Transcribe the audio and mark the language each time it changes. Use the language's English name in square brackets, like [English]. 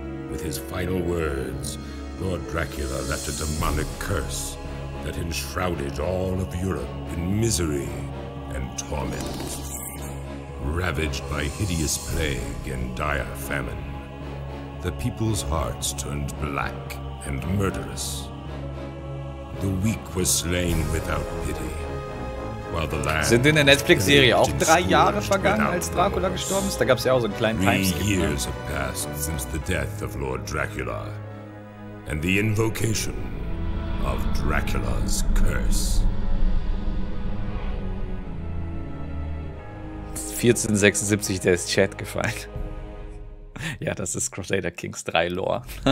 [English] With his final words, Lord Dracula left a demonic curse that enshrouded all of Europe in misery and torment. Ravaged by hideous plague and dire famine, the people's hearts turned black and murderous. The weak were slain without pity. While the land [German] sind in der Netflix-Serie auch 3 Jahre vergangen, als Dracula gestorben ist? Da gab es ja auch so einen kleinen Timeskip. [English] 3 years have passed since the death of Lord Dracula and the invocation of Dracula's curse. [German] 1476, der ist Chat gefallen. Ja, das ist Crusader Kings 3 Lore.